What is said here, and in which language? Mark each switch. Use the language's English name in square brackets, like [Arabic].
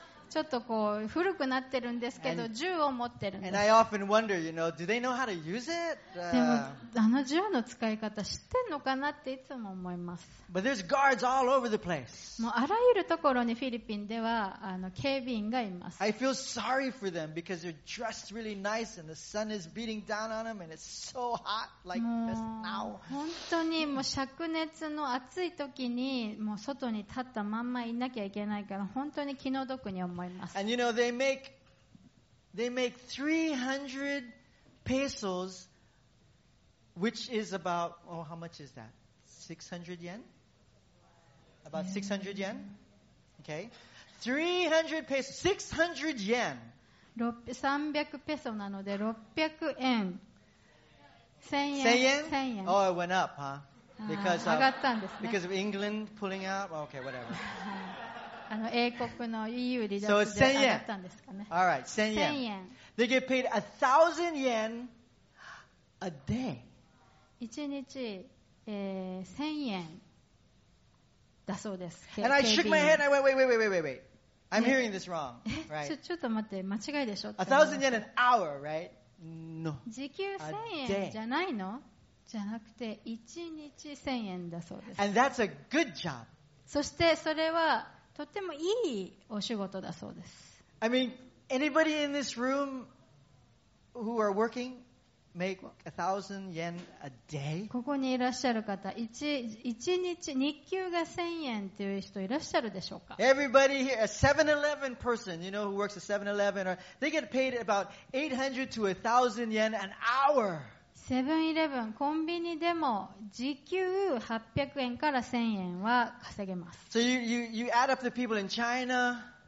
[Japanese] ちょっとこう古くなってるんですけど、銃を持ってるんです。 [English] And I often wonder, you know, do they know how to use it? [Japanese] でも銃の使い方知ってんのかなっていつも思います。 [English] But there's guards all over the place. [Japanese] もうあらゆるところにフィリピンでは警備員がいます。 [English] I feel sorry for them because they're dressed really nice and the sun is beating down on them and it's so hot like this now. [Japanese] 本当にもう灼熱の暑い時にもう外に立ったまんまいなきゃいけないから本当に気の毒に。 [English] And you know they make 300 pesos, which is about how much is that? 600 yen? About 600 yen? Okay, 300 pesos, 600 yen. [Japanese] 300 peso なので600円. [English] 1000 yen. 1000 yen. Oh, it went up, huh? Because of, [Japanese] 上がったんですね。 [English] because of England pulling out. Okay, whatever. [Japanese] 英国の EU 離脱で上がったんですかね。 [English] All right, 1000 yen. They get paid 1000 yen a day. [Japanese] 一日、1000円だそうです。 [English] And I shook my head. I went, wait. I'm hearing this wrong. Right? [Japanese] ちょっと待って、間違いでしょ。 [English] 1,000 yen an hour, right? No. [Japanese] 時給1000円じゃないの？じゃなくて1日1000円だそうです。 [English] And that's a good job. [Japanese] そしてそれはとてもいいお仕事だそうです。 [English] I mean, anybody in this room who are working make 1,000 yen a day? [Japanese] ここにいらっしゃる方、日給が1000円という人いらっしゃるでしょうか？ [English] Everybody here, a 7-Eleven person, you know who works at 7-Eleven, or they get paid about 800 to 1,000 yen an hour. [Japanese] 7-Eleven、コンビニでも時給800円から1000円は稼げます。 [English] So you add up the people in China.